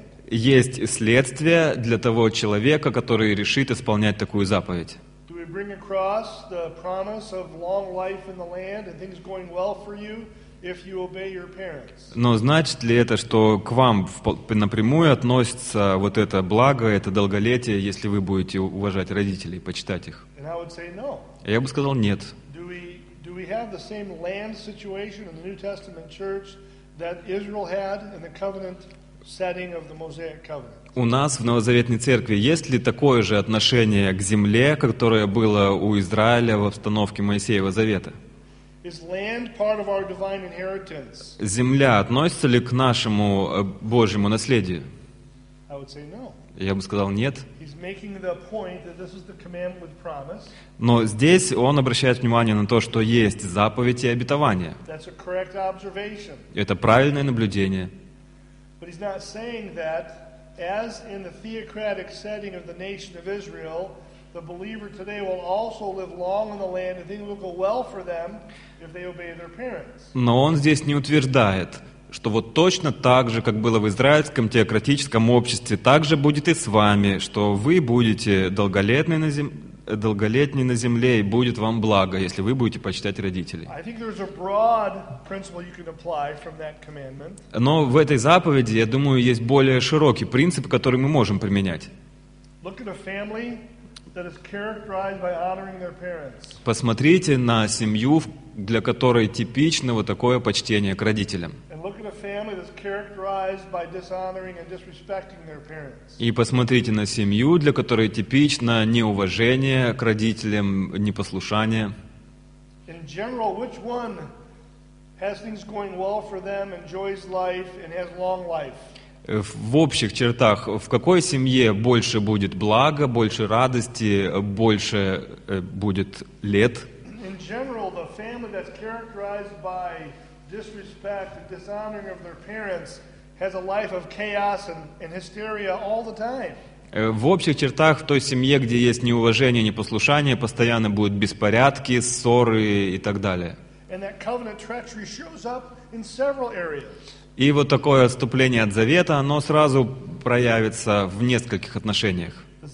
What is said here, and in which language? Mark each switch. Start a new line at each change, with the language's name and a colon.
Russian: Есть следствия для того человека, который решит исполнять такую заповедь.
English: Do we bring across the promise of long life in the land and things going well for you? If you obey your parents.
Russian: Но значит ли это, что к вам напрямую относится вот это благо, это долголетие, если вы будете уважать родителей, почитать их?
English: And I would say no.
Russian: Я бы сказал нет.
English: Do we have the same land situation in the New Testament church that Israel had in the covenant setting of the Mosaic covenant?
Russian: У нас в Новозаветной Церкви есть ли такое же отношение к земле, которое было у Израиля в обстановке Моисеева Завета?
English: Is land part of our divine inheritance?
Russian: Земля относится ли к нашему Божьему наследию?
English: I would say no.
Russian: Я бы сказал нет.
English: He's making the point that this is the commandment with promise.
Russian: Но здесь он обращает внимание на то, что есть заповедь и обетование.
English: That's a correct observation.
Russian: Это правильное наблюдение.
English: But he's not saying that, as in the theocratic setting of the nation of Israel, the believer today will also live long in the land, and things will go well for them if they obey their parents.
Russian: Но он здесь не утверждает, что вот точно так же, как было в израильском теократическом обществе, так же будет и с вами, что вы будете долголетней на земле, и будет вам благо, если вы будете почитать родителей.
English: I think there's a broad principle you can apply from that commandment.
Russian: Но в этой заповеди, я думаю, есть более широкий принцип, который мы можем применять.
English: Look at a family. that is characterized by honoring their parents.
Russian: Посмотрите на семью, для которой типично вот такое почтение к родителям.
English: And look at a family that's characterized by dishonoring and disrespecting their parents.
Russian: И посмотрите на семью, для которой типично неуважение к родителям, непослушание.
English: In general, which one has things going well for them, enjoys life, and has long life?
Russian: В общих чертах, в какой семье больше будет блага, больше радости, больше будет лет?
English: In general, the family that's characterized by disrespect and dishonoring of their parents has a life of chaos and hysteria all the time.
Russian: В общих чертах, в той семье, где есть неуважение, непослушание, постоянно будут беспорядки, ссоры и так далее.
English: And that covenant treachery shows up in several areas.
Russian: И вот такое отступление от завета, оно сразу проявится в нескольких отношениях.